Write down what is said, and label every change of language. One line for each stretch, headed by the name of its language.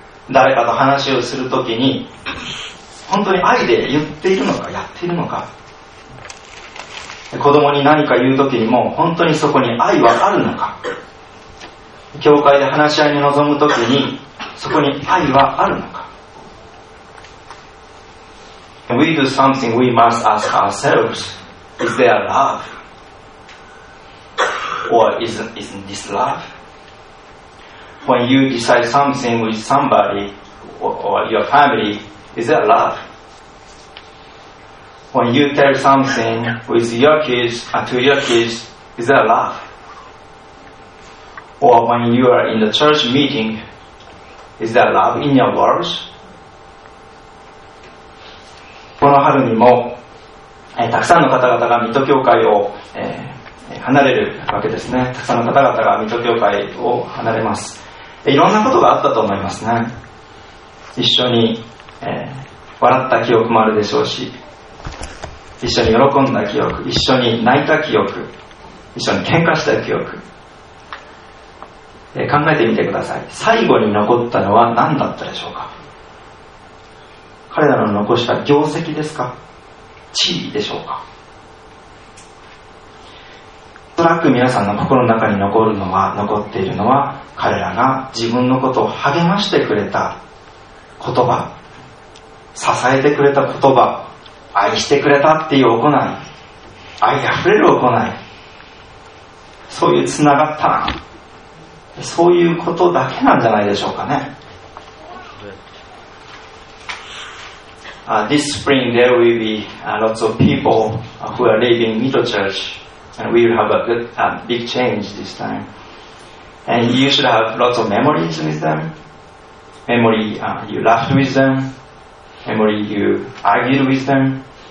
Japanese: 誰かと話をするときに本当に愛で言っているのか、やっているのか。子供に何か言うときにも本当にそこに愛はあるのか。教会で話し合いに臨むときにそこに愛はあるのか。
English: We do something, we must ask ourselves, is there love? Or isn't this loveWhen you decide something with somebody or your family, is that love? When you tell something with your kids and to your kids, is that love? Or when you are in the church meeting, is that love in your words?
Japanese: この春にも、たくさんの方々が水戸教会を、離れるわけですね。たくさんの方々が水戸教会を離れます。いろんなことがあったと思いますね。一緒に、笑った記憶もあるでしょうし、一緒に喜んだ記憶、一緒に泣いた記憶、一緒に喧嘩した記憶、考えてみてください。最後に残ったのは何だったでしょうか。彼らの残した業績ですか、地位でしょうか。おそらく皆さんの心の中に残るのは、残っているのは彼らが自分のことを励ましてくれた言葉、支えてくれた言葉、愛してくれたっていう行い、愛あふれる行い、そういうつながったな、そういうことだけなんじゃないでしょうかね。
English: This spring there will be lots of people who are leaving Mito Church and we will have a good, big change this time. And you should have lots of memories with them. Memory you laughed with them. Memory you argued with them.